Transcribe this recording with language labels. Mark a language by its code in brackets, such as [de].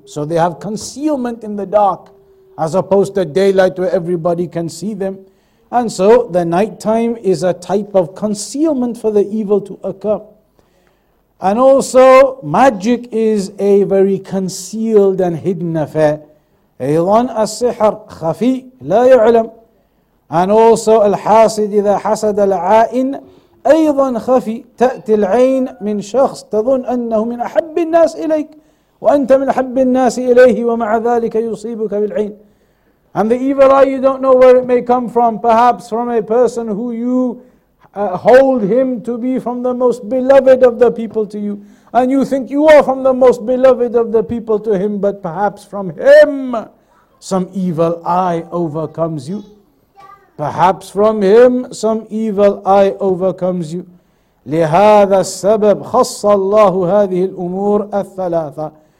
[en] So they have concealment in the dark, as opposed to daylight where everybody can see them. And so the nighttime is a type of concealment for the evil to occur. And also magic is a very concealed and hidden affair. [ar] أيضاً السحر خفي لا يعلم. [en] And also [ar] الحاسد إذا حسد العائن أيضاً خفي تأتي العين من شخص تظن أنه من أحب الناس إليك وأنت من أحب الناس إليه ومع ذلك يصيبك بالعين. [en] And the evil eye, you don't know where it may come from. Perhaps from a person who you hold him to be from the most beloved of the people to you. And you think you are from the most beloved of the people to him. But perhaps from him, some evil eye overcomes you. Perhaps from him, some evil eye overcomes you. [ar] لهذا السبب خص الله هذه الأمور الثلاثة.